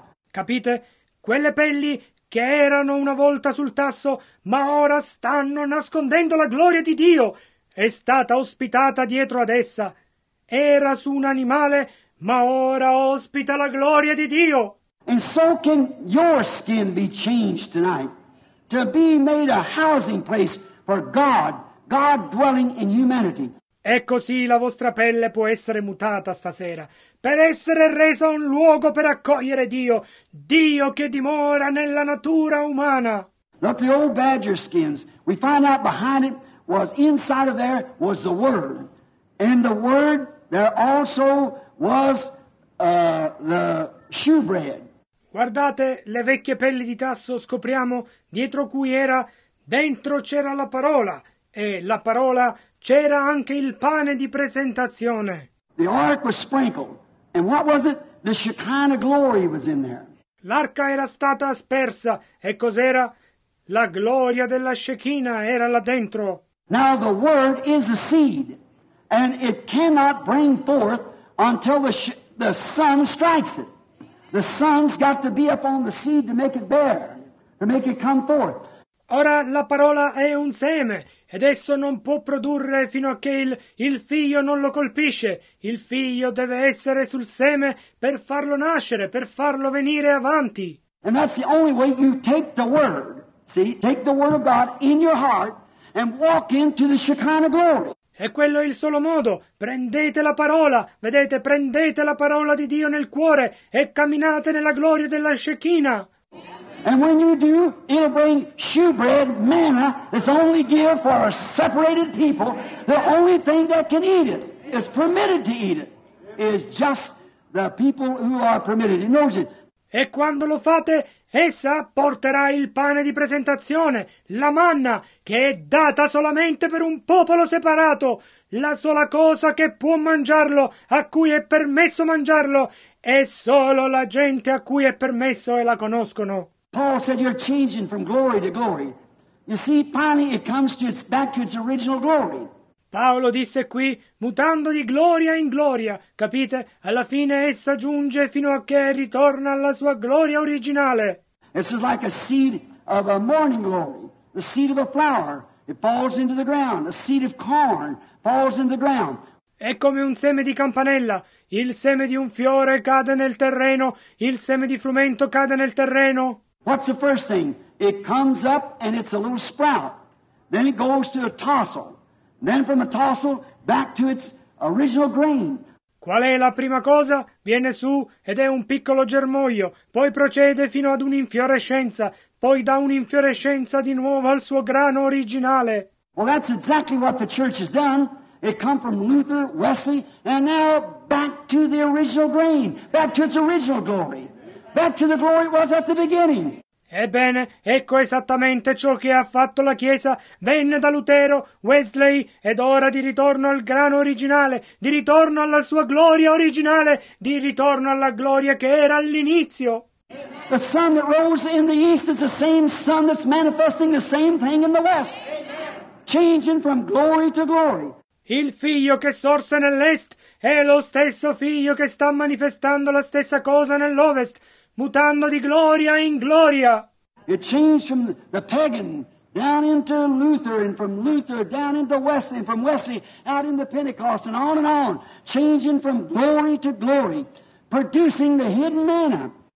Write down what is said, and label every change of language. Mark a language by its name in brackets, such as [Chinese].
[Italian] Capite, quelle pelli che erano una volta sul tasso, ma ora stanno nascondendo la gloria di Dio. È stata ospitata dietro ad essa. Era su un animale, ma ora ospita la gloria di Dio. [English] And so can your skin be changed tonight, to be made a housing place for God, God dwelling in humanity. [Italian] E così la vostra pelle può essere mutata stasera, per essere resa un luogo per accogliere Dio, Dio che dimora nella natura umana. [English] Not the old badger skins. We find out behind it was inside of there was the Word. And the Word there also was the shewbread. [Italian] Guardate le vecchie pelli di tasso, scopriamo dietro cui era, dentro c'era la parola, e la parola c'era anche il pane di presentazione. [English] The ark was sprinkled. And what was it? The Shekinah glory was in there. [Italian] L'arca era stata aspersa. E cos'era? La gloria della Shekinah era là dentro. [English] Now the Word is a seed. And it cannot bring forth until the sun strikes it. The sun's got to be up on the seed to make it bear, to make it come forth. [Italian] Ora la parola è un seme, ed esso non può produrre fino a che il figlio non lo colpisce. Il figlio deve essere sul seme per farlo nascere, per farlo venire avanti. [English] And that's the only way you take the Word, see, take the Word of God in your heart and walk into the Shekinah glory. [Italian] E quello è il solo modo. Prendete la parola, vedete, prendete la parola di Dio nel cuore e camminate nella gloria della Shekinah. [English] And when you do, it'll bring shewbread, manna, that's only given for a separated people. The only thing that can eat it, is permitted to eat it, is just the people who are permitted. He knows it. [Italian] E quando lo fate, essa porterà il pane di presentazione, la manna, che è data solamente per un popolo separato. La sola cosa che può mangiarlo, a cui è permesso mangiarlo, è solo la gente a cui è permesso e la conoscono. [English] Paul said you're changing from glory to glory. You see, finally it comes to its back to its original glory. [Italian] Paolo disse qui, mutando di gloria in gloria, capite? Alla fine essa giunge fino a che ritorna alla sua gloria originale. [English] This is like a seed of a morning glory, the seed of a flower. It falls into the ground. A seed of corn falls in the ground. [Italian] È come un seme di campanella. Il seme di un fiore cade nel terreno, il seme di frumento cade nel terreno. [English] What's the first thing? It comes up and it's a little sprout. Then it goes to a tassel. Then from a tassel back to its original grain. [Italian] Qual è la prima cosa? Viene su ed è un piccolo germoglio. Poi procede fino ad un'infiorescenza. poi da un'infiorescenza di nuovo al suo grano originale. [English] Well, that's exactly what the church has done. It come from Luther, Wesley, and now back to the original grain, back to its original glory, back to the glory it was at the beginning. [Italian] Ebbene, ecco esattamente ciò che ha fatto la Chiesa. Venne da Lutero, Wesley, ed ora di ritorno al grano originale, di ritorno alla sua gloria originale, di ritorno alla gloria che era all'inizio. [English] The sun that rose in the east is the same sun that's manifesting the same thing in the west, changing from glory to glory. [Italian] Il figlio che sorse nell'est è lo stesso figlio che sta manifestando la stessa cosa nell'ovest, mutando di gloria in gloria. [English] It changed from the pagan down into Luther, and from Luther down into Wesley, and from Wesley out into Pentecost, and on, changing from glory to glory, producing the hidden manna.